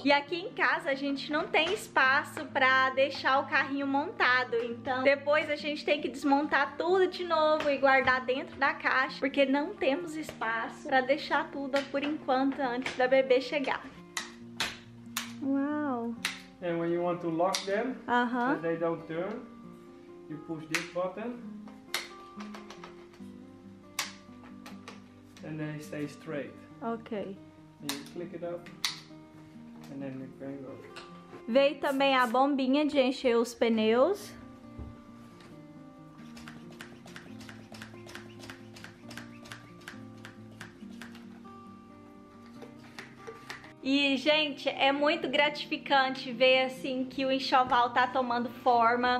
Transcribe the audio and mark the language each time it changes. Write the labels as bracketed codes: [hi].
[pt] E aqui em casa a gente não tem espaço para deixar o carrinho montado. Então depois a gente tem que desmontar tudo de novo e guardar dentro da caixa, porque não temos espaço para deixar tudo por enquanto antes da bebê chegar. Uau! [en] And when you want to lock them, uh-huh, so they don't turn, you push this button and they stay straight. Okay. And you click it up and then it can go. [pt] Veio também a bombinha de encher os pneus. E, gente, é muito gratificante ver, assim, que o enxoval tá tomando forma.